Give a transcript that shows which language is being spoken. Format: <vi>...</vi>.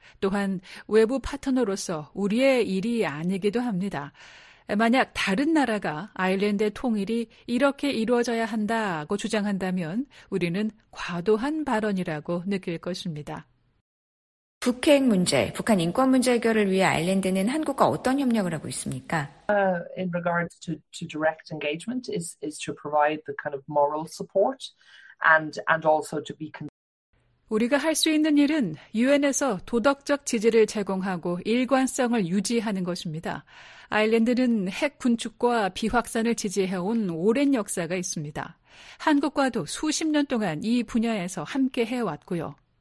<ko>또한 외부 파트너로서 우리의 일이 아니기도 합니다. 만약 다른 나라가 아일랜드의 통일이 이렇게 이루어져야 한다고 주장한다면 우리는 과도한 발언이라고 느낄 것입니다. 북핵 문제, 북한 인권 문제 해결을 위해 아일랜드는 한국과 어떤 협력을 하고 있습니까?</ko> <en>In regards to direct engagement is to provide the kind of moral support and also to be concerned.</en> <ko>우리가 할 수 있는 일은 UN에서 도덕적 지지를 제공하고 일관성을 유지하는 것입니다. 아일랜드는 핵 군축과 비확산을 지지해온 오랜 역사가 있습니다. 한국과도 수십 년 동안 이 분야에서 함께 해왔고요.</ko>